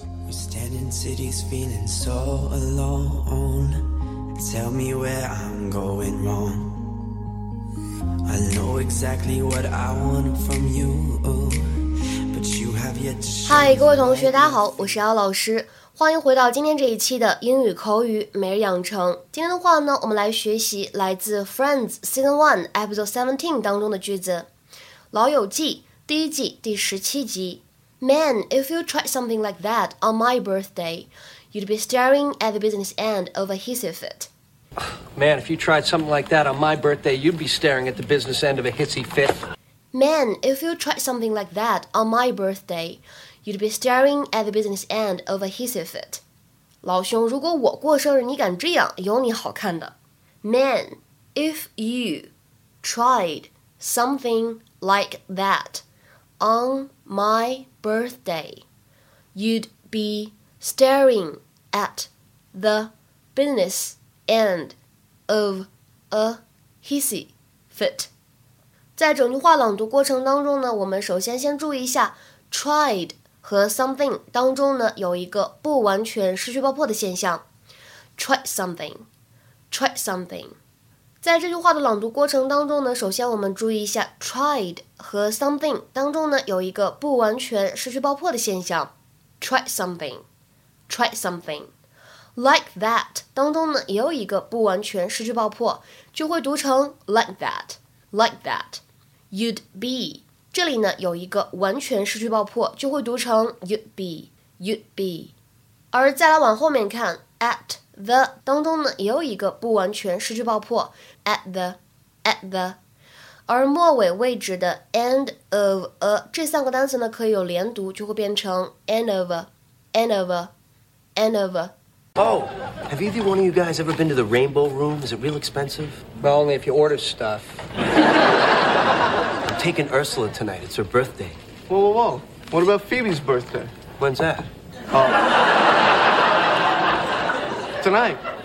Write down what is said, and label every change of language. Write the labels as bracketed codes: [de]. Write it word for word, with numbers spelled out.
[en] Standing cities feeling so alone. Tell me where I'm going wrong. I know exactly what I want from you, but you have yet to show. [zh] 嗨，各位同学，大家好，我是姚老师，欢迎回到今天这一期的英语口语每日养成。今天的话呢，我们来学习来自 Friends Season One Episode Seventeen 当中的句子，《老友记》第一季第十七集。 [en] Man, if you tried something like that on my birthday, you'd be staring at the business end of a hissy fit. Man, if you tried something like that on my birthday, you'd be staring at the business end of a hissy fit. Man, if you tried something like that on my birthday, you'd be staring at the business end of a hissy fit. [zh] 老兄，如果我过生日，你敢这样，有你好看的。 [en] Man, if you tried something like that on my birthday, you'd be staring at the business end of a hissy fit. [zh] 在整句话朗读过程当中呢，我们首先先注意一下 tried 和 something 当中呢有一个不完全失去爆破的现象。 [en] Try something, try something. [zh] 在这句话的朗读过程当中呢，首先我们注意一下 tried 和 something 当中呢有一个不完全失去爆破的现象。 [en] Try something, try something. [zh] Like that 当中呢也有一个不完全失去爆破，就会读成 [en] like that, like that. [zh] You'd be 这里呢有一个完全失去爆破，就会读成 [en] you'd be, you'd be. [zh] 而再来往后面看 at the 当中呢也有一个不完全失去爆破 [en] at the at the [zh] 而末尾位置的 [en] end of a 这三个单词呢可以有连读，就会变成 end of a [zh] end of a end of a [en] Oh, have either one of you guys ever been to the Rainbow Room? Is it real expensive? Well, only if you order stuff. I'm taking Ursula tonight. It's her birthday. Whoa, whoa, whoa. What about Phoebe's birthday? When's that? Oh. Tonight.